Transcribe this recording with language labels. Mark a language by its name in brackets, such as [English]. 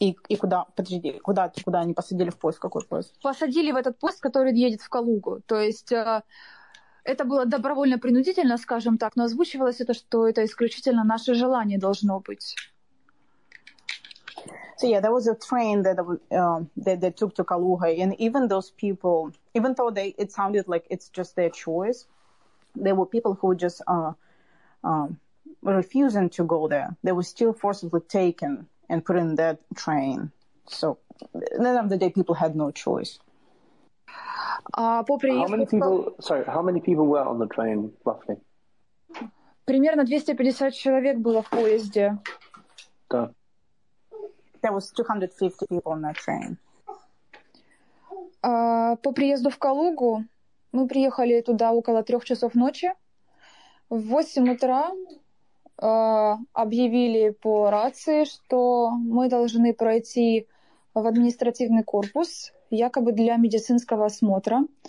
[Russian] И куда? Подожди, куда они посадили в поезд? Какой поезд? Посадили в этот поезд, который едет в Калугу. То есть это было добровольно-принудительно, скажем так, но озвучивалось это, что это исключительно наше желание должно быть. [English] So yeah, there was a train that they took to Kaluga, and even those people, even though it sounded like it's just their choice, there were people who were just refusing to go there. They were still forcibly taken and put in that train. So at the end of the day, people had no choice. How many people were on the train, roughly? [Russian] Примерно 250 человек было в поезде. Да. [English] There was 250 people on that train. [Russian] По приезду в Калугу мы приехали туда около 3 часов ночи. В 8 утра объявили по рации, что мы должны пройти в административный корпус, якобы для медицинского осмотра.